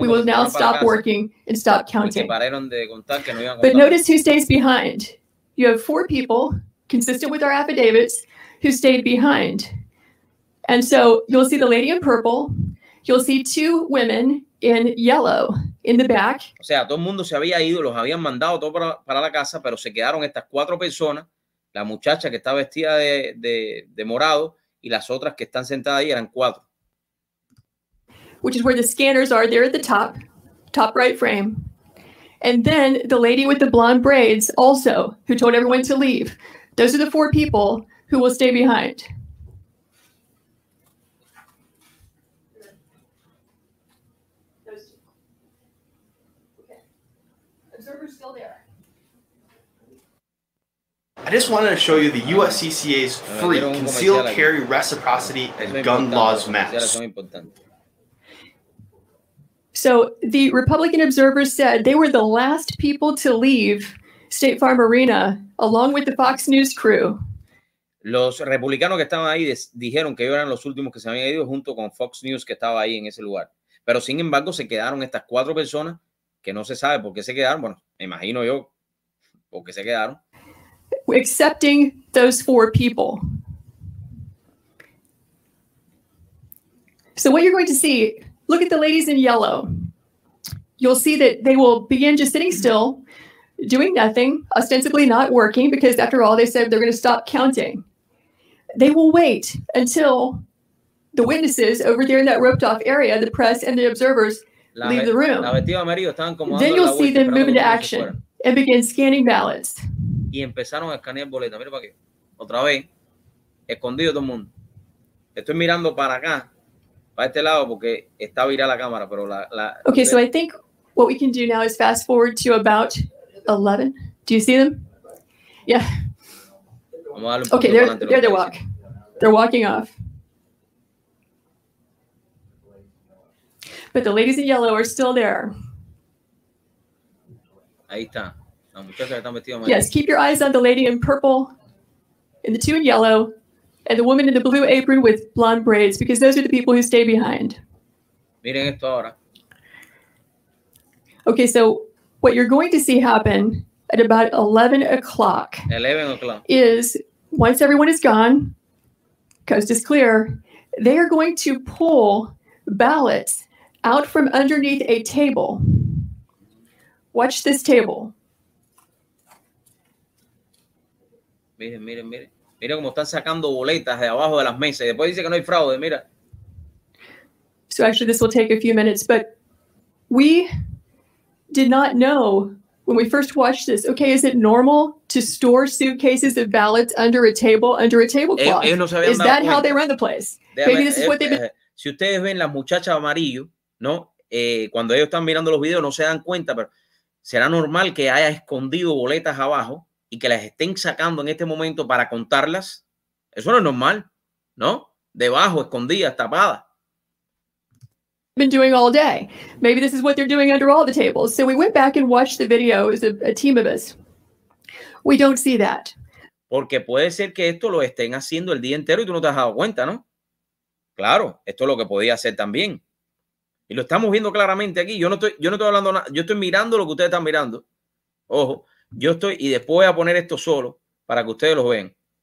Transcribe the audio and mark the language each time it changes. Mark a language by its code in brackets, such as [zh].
[en] We will now stop working and stop counting. But notice who stays behind. You have four people, consistent with our affidavits, who stayed behind. And so you'll see the lady in purple. You'll see two women in yellow in the back. [es] O sea, todo el mundo se había ido, los habían mandado todo para la casa, pero se quedaron estas cuatro personas, la muchacha que está vestida de morado y las otras que están sentadas ahí eran cuatro. [en] Which is where the scanners are, there at the top right frame. And then the lady with the blonde braids also, who told everyone to leave. Those are the four people who will stay behind. I just wanted to show you the USCCA's free concealed carry reciprocity and gun laws maps. So the Republican observers said they were the last people to leave State Farm Arena along with the Fox News crew. [es] Los republicanos que estaban ahí dijeron que ellos eran los últimos que se habían ido junto con Fox News que estaba ahí en ese lugar. Pero sin embargo se quedaron estas cuatro personas que no se sabe por qué se quedaron. Bueno, me imagino yo por qué se quedaron. [en] Accepting those four people. So what you're going to see, look at the ladies in yellow. You'll see that they will begin just sitting still, doing nothing, ostensibly not working, because after all, they said they're going to stop counting. They will wait until the witnesses over there in that roped off area, the press and the observers, leave the room. [es] La vestida amarillo estaban como [en] then you'll see them move into action and begin scanning ballots. [es] Y empezaron a escanear boletas. Mira para qué. Otra vez, escondido todo el mundo. Estoy mirando para acá, para este lado, porque está virada la cámara, pero [en] Okay, so I think what we can do now is fast forward to about 11. Do you see them? Yeah. [es] Vamos a darle un [en] okay, there they walk. They're walking off. But the ladies in yellow are still there. [es] Ahí está. [en] Yes, keep your eyes on the lady in purple and the two in yellow and the woman in the blue apron with blonde braids because those are the people who stay behind. [es] Miren esto ahora. [en] Okay, so what you're going to see happen at about 11 o'clock, 11 o'clock. Is once everyone is gone, coast is clear, they are going to pull ballots out from underneath a table. Watch this table. [es] Miren, miren, miren. Miren cómo están sacando boletas de abajo de las mesas. Y después dice que no hay fraude, mira. [en] So actually this will take a few minutes, but we did not know when we first watched this. Okay, is it normal to store suitcases of ballots under a table, under a tablecloth? [es] Ellos no se habían [en] is [es] dado [en] that [es] cuenta. [en] How they run the place? [es] Déjame, [en] maybe this is what they've been... [es] Si ustedes ven las muchachas amarillo, ¿no? Cuando ellos están mirando los videos no se dan cuenta, pero será normal que haya escondido boletas abajo. Y que las estén sacando en este momento para contarlas, eso no es normal, ¿no? Debajo, escondidas, tapadas. [en] Been doing all day. Maybe this is what they're doing under all the tables. So we went back and watched the video. It was a team of us. We don't see that. [es] Porque puede ser que esto lo estén haciendo el día entero y tú no te has dado cuenta, ¿no? Claro, esto es lo que podía hacer también. Y lo estamos viendo claramente aquí. Yo no estoy hablando nada. Yo estoy mirando lo que ustedes están mirando. Ojo. Yo estoy, y después voy a poner esto solo para que ustedes lo vean.